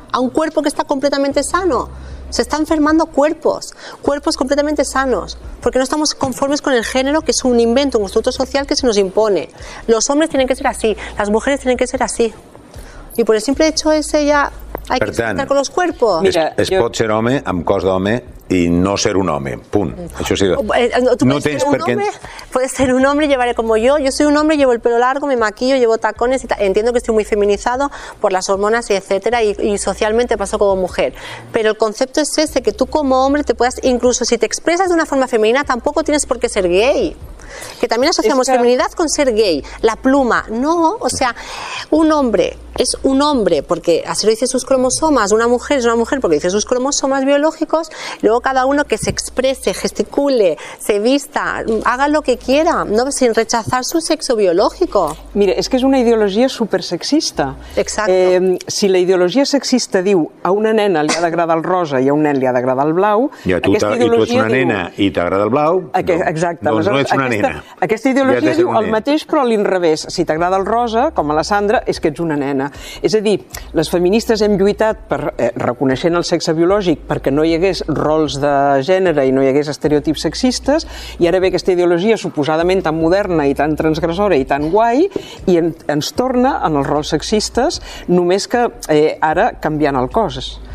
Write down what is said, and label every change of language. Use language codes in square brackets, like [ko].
[es] A un cuerpo que está completamente sano. Se están enfermando cuerpos completamente sanos, porque no estamos conformes con el género, que es un invento, un constructo social que se nos impone. Los hombres tienen que ser así, las mujeres tienen que ser así. Y por el simple hecho ese ya hay que estar con los cuerpos. [ca] Mira, es pot ser home amb cos d'home i no ser un home, punt. Això sí. No tens per què. [es] Puedes ser un hombre y llevaré como yo soy un hombre, llevo el pelo largo, me maquillo, llevo tacones y entiendo que estoy muy feminizado por las hormonas y etcétera, y socialmente paso como mujer, pero el concepto es ese, que tú como hombre te puedas, incluso si te expresas de una forma femenina, tampoco tienes por qué ser gay. Que también asociamos feminidad con ser gay, la pluma, no, o sea, un hombre es un hombre porque así lo dicen sus cromosomas, una mujer es una mujer porque dice sus cromosomas biológicos, luego cada uno que se exprese, gesticule, se vista, haga lo que quiera, no, sin rechazar su sexo biológico. Mire, es que es una ideología súper sexista. Exacto. [ca] Si la ideología sexista diu a una nena li ha d'agradar el rosa i a un nen li ha d'agradar el blau, i tu ets una nena i t'agrada el blau, exacte, no ets una nena. Aquesta ideologia diu el mateix, però a l'inrevés. Si t'agrada el rosa, com a la Sandra, és que ets una nena. És a dir, les feministes hem lluitat per, reconeixent el sexe biològic, perquè no hi hagués rols de gènere i no hi hagués estereotips sexistes, i ara ve aquesta ideologia suposadament tan moderna i tan transgressora i tan guai, i ens torna en els rols sexistes, només que ara canviant el cos.